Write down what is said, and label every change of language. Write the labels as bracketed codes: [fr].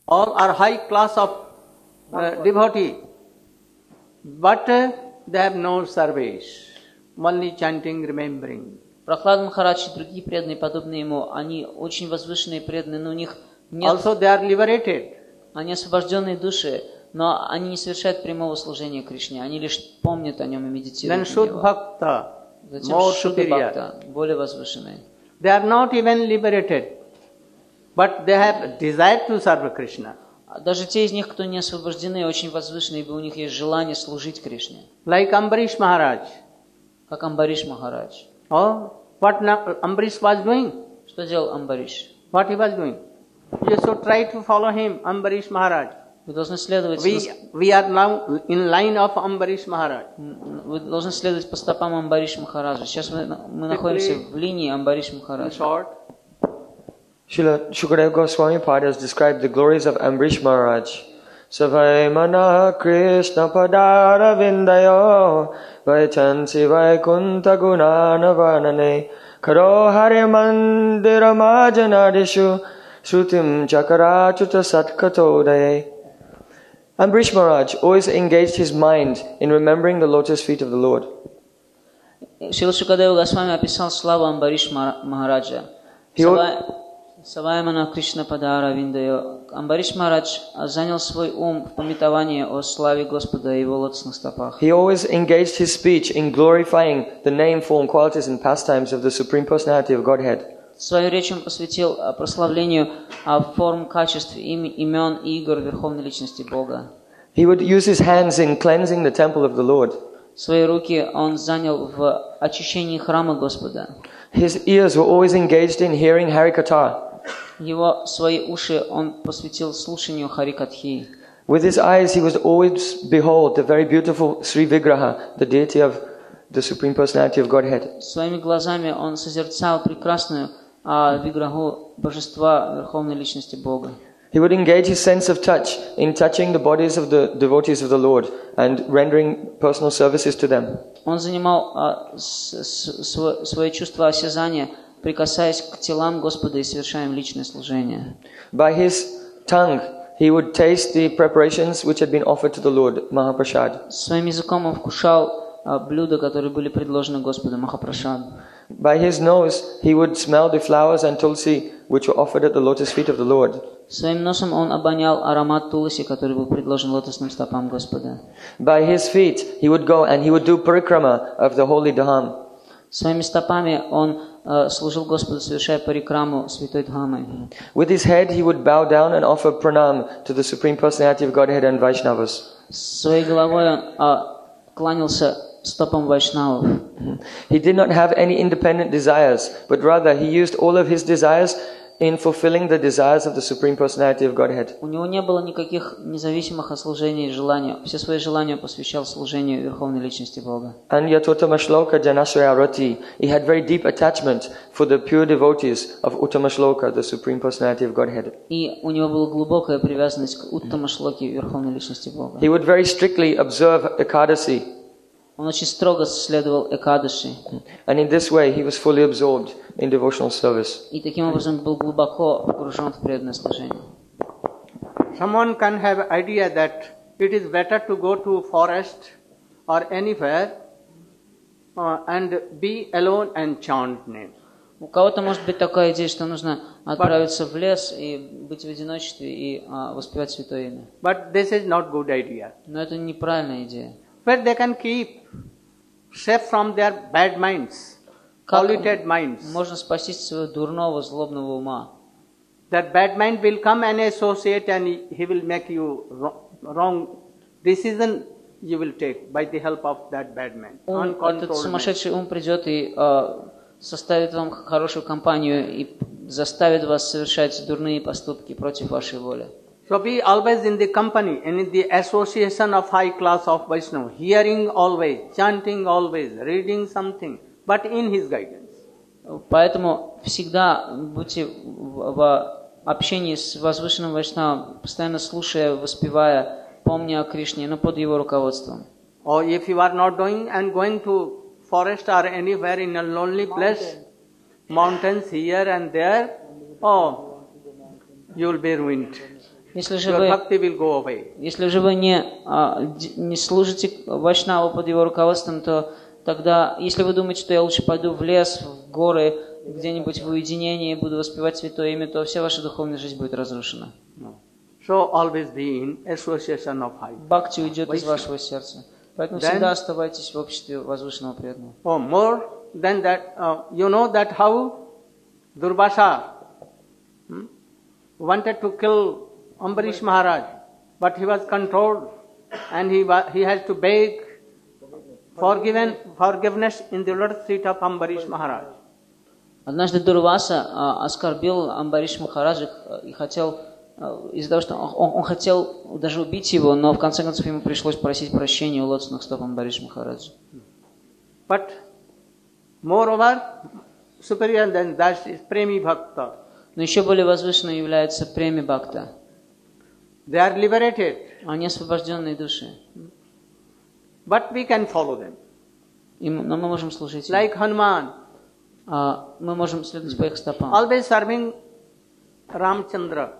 [en] all are high class of devotee, but they have no service, only chanting, remembering. [ru] Прохлад Махарадж и другие преданные, подобные ему, они очень возвышенные преданные, но у них нет... [en] Also they are liberated. [ru] Они освобожденные души, но они не совершают прямого служения Кришне, они лишь помнят о нем и медитируют на него. Bhakta, затем Шуд-бхакта, более возвышенные. [en] They are not even liberated, but they have desire to serve Krishna. [ru] Даже те из них, кто не освобождены, очень возвышенные, ибо у них есть желание служить Кришне. [en] Like Amrish Maharaj. [ru] Как Амбариш Махарадж. [en] Oh, what Amrish was doing? [ru] Что делал Амбариш? [en] What he was doing? You should try to follow him, Amrish Maharaj. [ru] Вы должны следовать. [en] We are now in line of Амбариш Махарадж. [ru] Вы должны следовать по стопам Амбариш Махараджа. Сейчас мы находимся в линии Амбариш Махараджа. [en] Шрила Шукадева Госвами Пада has described the glories of Амбариш Махарадж. [sa] Savaimana Krishna Padara Vindayo Vaichansi Vaikunta Gunana Varnane Karo Hari Mandira Majanadishu Srutim Chakarachuta Satkatodaye. [en] Ambarish Maharaj always engaged his mind in remembering the lotus feet of the Lord. [ru] Srila Sukadeva Goswami описал славу Амбариш Махараджа. [sa] Савайамана Кришна Падара Виндайо. [ru] Амбариш Махарадж занял свой ум в памятовании о славе Господа и его лотосных стопах. [en] He always engaged his speech in glorifying the name, form, qualities and pastimes of the Supreme Personality of Godhead. [ru] Свою речь он посвятил прославлению форм, качеств, имен и игр Верховной Личности Бога. [en] He would use his hands in cleansing the temple of the Lord. [ru] Свои руки он занял в очищении храма Господа. [en] His ears were always engaged in hearing Харикатха. [ru] Его свои уши он посвятил слушанию Харикатхи. [en] With his eyes he was always behold the very beautiful Sri Vigraha, the deity of the Supreme Personality of Godhead. [ru] Своими глазами он созерцал прекрасную Виграху Божества Верховной Личности Бога. [en] He would engage his sense of touch in touching the bodies of the devotees of the Lord and rendering personal services to them. [ru] Он занимал свои чувства осязания, прикасаясь к телам Господа и совершая им личное служение. [en] By his tongue, he would taste the preparations which had been offered to the Lord, Mahaprasad. [ru] Своим языком он вкушал блюда, которые были предложены Господу, Махапрашад. [en] By his nose, he would smell the flowers and tulsi which were offered at the lotus feet of the Lord. [ru] Своим носом он обонял аромат туласи, который был предложен лотосным стопам Господа. [en] By his feet, he would go and he would do parikrama of the holy dham. [ru] Своими стопами он служил Господу, совершая парикраму святой дхамы. [en] With his head, he would bow down and offer pranam to the Supreme Personality of Godhead and Vaishnavas. [ru] Своей головой он кланялся стопам вайшнавов. [en] He did not have any independent desires, but rather he used all of his desires in fulfilling the desires of the Supreme Personality of Godhead. [ru] У него не было никаких независимых от служения желаний. Все свои желания посвящал служению Верховной Личности Бога. [en] And [sa] Yatottama Shloka Janashraya Rati, [en] he had very deep attachment for the pure devotees of Uttama Shloka, the Supreme Personality of Godhead. [ru] И у него была глубокая привязанность к Уттама Шлоке, Верховной Личности Бога. [en] He would very strictly observe Ekadasi. [ru] Он очень строго следовал Экадаши. [en] And in this way he was fully absorbed in devotional service. [ru] И таким образом был глубоко погружен в преданное служение. [en] Someone can have idea that it is better to go to forest or anywhere and be alone and chant name. [ru] У кого-то может быть такая идея, что нужно отправиться в лес и быть в одиночестве и воспевать святое имя. [en] But this is not good idea. [ru] Но это неправильная идея. [en] Where they can keep safe from their bad minds, polluted minds. [ru] Можно спастись своего дурного, злобного ума. [en] That bad mind will come and associate, and he will make you wrong decision. You will take by the help of that bad mind. [ru] Этот сумасшедший ум придет и составит вам хорошую компанию и заставит вас совершать дурные поступки против вашей воли. [en] So be always in the company and in the association of high class of Vaishnava, hearing always, chanting always, reading something, but in his guidance. [ru] Поэтому всегда будьте в общении с возвышенным Вайшнавом, постоянно слушая, воспевая, помня о Кришне, но под его руководством. [en] Or if you are not doing and going to forest or anywhere in a lonely place, mountains here and there, you will be ruined. [ru] Если же вы не служите Вайшнаву под его руководством, то тогда, если вы думаете, что я лучше пойду в лес, в горы, где-нибудь в уединении, буду воспевать святое имя, то вся ваша духовная жизнь будет разрушена. [en] So always be in association of high. [ru] Бхакти уйдет из вашего сердца. Поэтому всегда оставайтесь в обществе возвышенного преданного. [en] Oh, more than that, you know that how Durvasa wanted to kill Амбариш Махарадж, but he was controlled and he has to beg forgiveness in the lotus feet of Амбариш Махарадж. [ru] Однажды Дурваса оскорбил Амбариш Махараджа и хотел из-за того, что он хотел даже убить его, но в конце концов ему пришлось просить прощения у лотосных стоп Амбариша Махараджи. [en] But moreover, superior than that is Premi Bhakta. [ru] Но еще более возвышенным является Преми Бхакта. [en] They are liberated. [ru] Они освобожденные души. [en] But we can follow them. [ru] Но мы можем служить им. [en] Like Hanuman. [ru] Мы можем следовать по их стопам. [en] Always serving Ramchandra.